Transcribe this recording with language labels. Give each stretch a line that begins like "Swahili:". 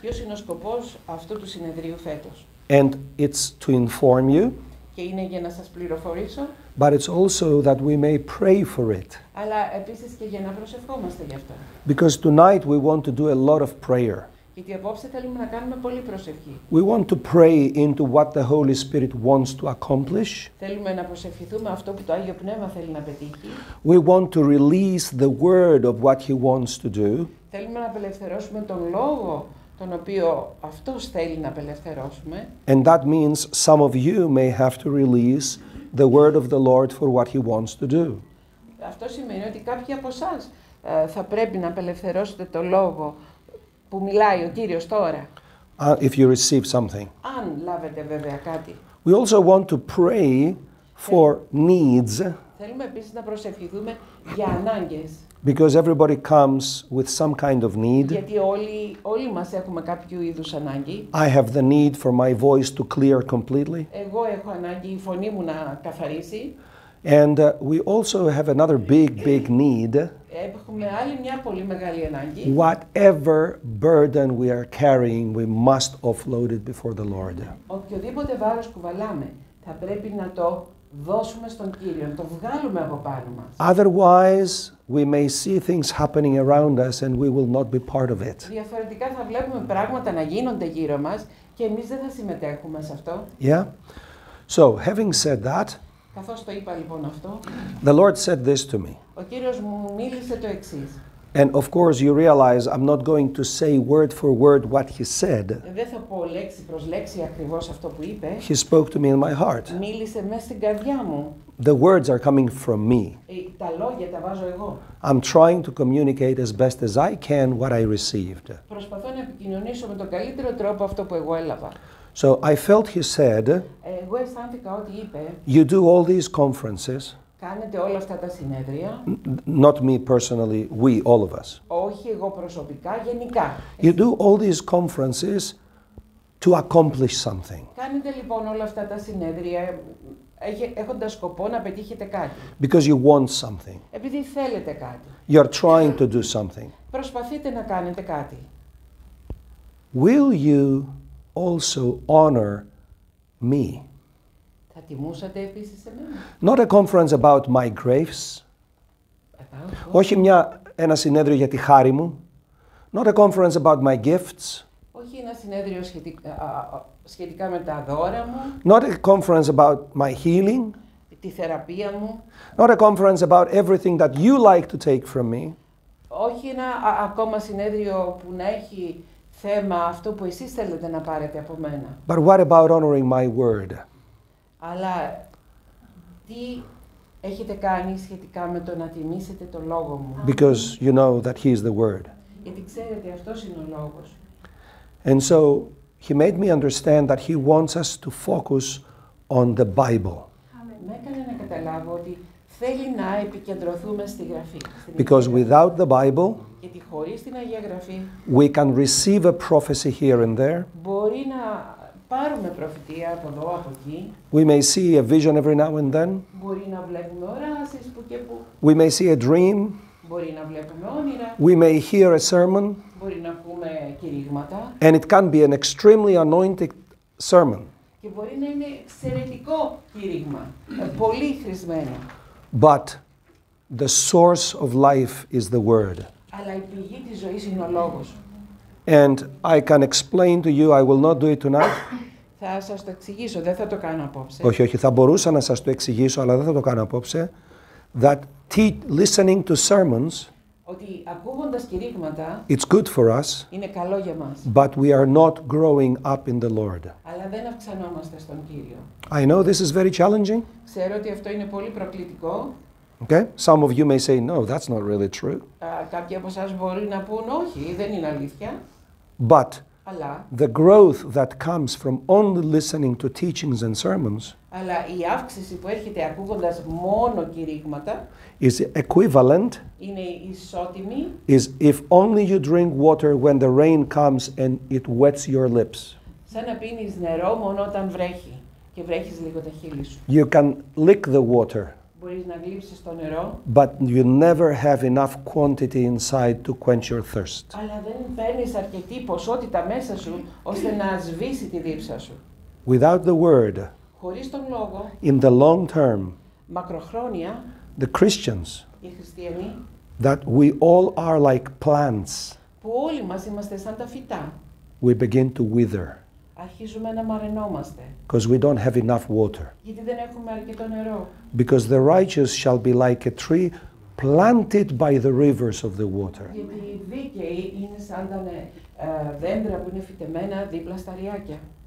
Greek: Ποιος είναι ο σκοπός αυτού του συνεδρίου φέτος.
English: And it's to inform you.
Greek: Και είναι για να σας πληροφορήσω.
English: But it's also that we may pray for it.
Greek: Αλλά επίσης και για να προσευχόμαστε γι' αυτό.
English: Because tonight we want to do a lot of prayer.
Greek: Γιατί απόψε θέλουμε να κάνουμε πολύ προσευχή.
English: We want to pray into what the Holy Spirit wants to accomplish.
Greek: Θέλουμε να προσευχηθούμε αυτό που το Άγιο Πνεύμα θέλει να πετύχει.
English: We want to release the word of what he wants to do.
Greek: Θέλουμε να απελευθερώσουμε τον λόγο τον οποίο αυτός θέλει να απελευθερώσουμε.
English: And that means some of you may have to release the word of the Lord for what he wants to do.
Greek: Αυτό σημαίνει ότι κάποιοι από εσάς θα πρέπει να απελευθερώσετε τον λόγο που μιλάει ο Κύριος τώρα.
English: If you receive something.
Greek: Αν λάβετε βέβαια κάτι.
English: We also want to pray for needs.
Greek: Θέλουμε επίσης να προσευχηθούμε για ανάγκες.
English: Because everybody comes with some kind of need.
Greek: Γιατί όλοι μας έχουμε κάποιου είδους ανάγκη.
English: I have the need for my voice to clear completely.
Greek: Εγώ έχω ανάγκη η φωνή μου να καθαρίσει.
English: And we also have another big need.
Greek: Έχουμε άλλη μια πολύ μεγάλη ανάγκη.
English: Whatever burden we are carrying, we must offload it before the Lord.
Greek: Οποιοδήποτε βάρος κουβαλάμε, θα πρέπει να το δώσουμε στον Κύριο, να το βγάλουμε από πάνω μας.
English: Otherwise, we may see things happening around us and we will not be part of it.
Greek: Διαφορετικά θα βλέπουμε πράγματα να γίνονται γύρω μας και εμείς δεν θα συμμετέχουμε σε αυτό.
English: Yeah. So, having said that,
Greek: καθώς το είπα λοιπόν αυτό,
English: the Lord said this to me.
Greek: Ο Κύριος μου μίλησε το εξής.
English: And of course you realize I'm not going to say word for word what he said.
Greek: Δεν θα πω λέξη προς λέξη ακριβώς αυτό που είπε.
English: He spoke to me in my heart.
Greek: Μίλησε μέσα στην καρδιά μου.
English: The words are coming from me.
Greek: Τα λόγια τα βάζω εγώ.
English: I'm trying to communicate as best as I can what I received.
Greek: Προσπαθώ να επικοινωνήσω με τον καλύτερο τρόπο αυτό που εγώ έλαβα.
English: So I felt he said,
Greek: εγώ αισθάνθηκα ότι είπε,
English: you do all these conferences.
Greek: Κάνετε όλα αυτά τα συνέδρια.
English: Not me personally, we, all of us.
Greek: Όχι εγώ προσωπικά, γενικά.
English: You do all these conferences to accomplish something.
Greek: Κάνετε λοιπόν όλα αυτά τα συνέδρια έχοντας σκοπό να πετύχετε κάτι.
English: Because you want something.
Greek: Επειδή θέλετε κάτι.
English: You're trying to do something.
Greek: Προσπαθείτε να κάνετε κάτι.
English: Will you also honor me?
Greek: Θα τιμούσατε επίσης εμένα.
English: Not a conference about my graves.
Greek: Όχι ένα συνέδριο για τη χάρη μου.
English: Not a conference about my gifts.
Greek: Όχι ένα συνέδριο σχετικά με τα δώρα μου.
English: Not a conference about my healing.
Greek: Τη θεραπεία μου.
English: Not a conference about everything that you like to take from me.
Greek: Όχι ένα ακόμα συνέδριο που να έχει θέμα αυτό που εσείς θέλετε να πάρετε από μένα.
English: But what about honoring my word?
Greek: Αλλά τι έχετε κάνει σχετικά με το να τιμήσετε το λόγο μου;
English: Because you know that he is the word.
Greek: Γιατί ξέρετε αυτός είναι ο λόγος.
English: And so he made me understand that he wants us to focus on the Bible.
Greek: Με έκανε να καταλάβω ότι θέλει να επικεντρωθούμε στη γραφή.
English: Because without the Bible.
Greek: Γιατί χωρίς την Αγία Γραφή.
English: We can receive a prophecy here and there.
Greek: Μπορεί να πάρουμε προφητεία από εδώ, από εκεί.
English: We may see a vision every now and then.
Greek: Μπορεί να βλέπουμε οράσεις που και που.
English: We may see a dream.
Greek: Μπορεί να βλέπουμε όνειρα.
English: We may hear a sermon.
Greek: Μπορεί να ακούμε κηρύγματα.
English: And it can be an extremely anointed sermon.
Greek: Και μπορεί να είναι εξαιρετικό κηρύγμα. Πολύ χρησμένο.
English: But the source of life is the word.
Greek: Αλλά η πηγή της ζωής είναι ο λόγος.
English: And I can explain to you, I will not do it tonight.
Greek: Θα σας το εξηγήσω, δεν θα το κάνω απόψε. Όχι, θα μπορούσα να σας το εξηγήσω, αλλά δεν θα το κάνω απόψε.
English: Listening to sermons,
Greek: ότι ακούγοντας κηρύγματα,
English: it's good for us,
Greek: είναι καλό για μας.
English: But we are not growing up in the Lord.
Greek: Αλλά δεν αυξανόμαστε στον Κύριο.
English: I know this is very challenging.
Greek: Ξέρω ότι αυτό είναι πολύ προκλητικό.
English: Okay. Some of you may say, no, that's not really true.
Greek: Κάποιοι από εσάς μπορεί να πούν όχι, δεν είναι αλήθεια.
English: But
Greek: αλλά,
English: the growth that comes from only listening to teachings and sermons,
Greek: αλλά η αύξηση που έρχεται ακούγοντας μόνο κηρύγματα,
English: is equivalent,
Greek: είναι ισότιμη,
English: is if only you drink water when the rain comes and it wets your lips.
Greek: Σαν να πίνεις νερό μόνο όταν βρέχει και βρέχεις λίγο τα χείλη σου.
English: You can lick the water.
Greek: Μπορείς να γλύψεις το νερό.
English: But you never have enough quantity inside to quench your thirst.
Greek: Αλλά δεν παίρνεις αρκετή ποσότητα μέσα σου ώστε να σβήσει τη δίψα σου.
English: Without the word.
Greek: Χωρίς τον λόγο.
English: In the long term.
Greek: Μακροχρόνια.
English: The Christians.
Greek: Οι χριστιανοί.
English: That we all are like plants.
Greek: Που όλοι μας είμαστε σαν τα φυτά.
English: We begin to wither.
Greek: Αρχίζουμε να μαρενόμαστε.
English: Because we don't have enough water.
Greek: Γιατί δεν έχουμε αρκετό νερό.
English: Because the righteous shall be like a tree planted by the rivers of the water.
Greek: Γιατί οι δίκαιοι είναι σαν τα δέντρα που είναι φυτεμένα δίπλα στα ριάκια.